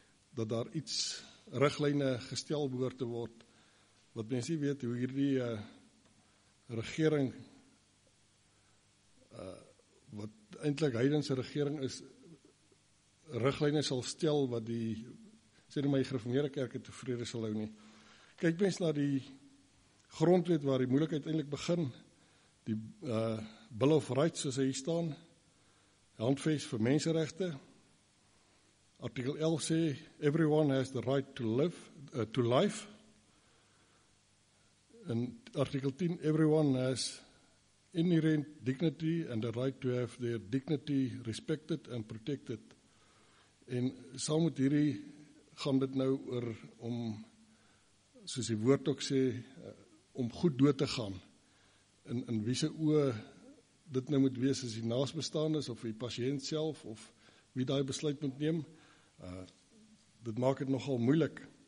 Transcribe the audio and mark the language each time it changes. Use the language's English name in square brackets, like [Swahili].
[Afrikaans] dat daar iets riglyne gestel behoort te word, wat mens nie weet hoe hierdie regering, wat eintlik heidense regering is, riglyne sal stel wat die, sê nie my gereformeerde kerke tevrede sal hou nie. Kyk mens na die grondwet waar die moeilikheid eintlik begin, die Bill of Rights, soos hy hier staan, handvest vir menseregte. Artikel 11 sê, [English] everyone has the right to live, to life. [Afrikaans] En artikel 10, [English] everyone has inherent dignity and the right to have their dignity respected and protected. [Afrikaans] En saam met hierdie gaan dit nou oor om, soos die woord ook sê, om goed dood te gaan. In wie se oë dit nou moet wees as die naasbestaan is, of die patiënt self, of wie daai besluit moet neem, dit maak het nogal moeilik.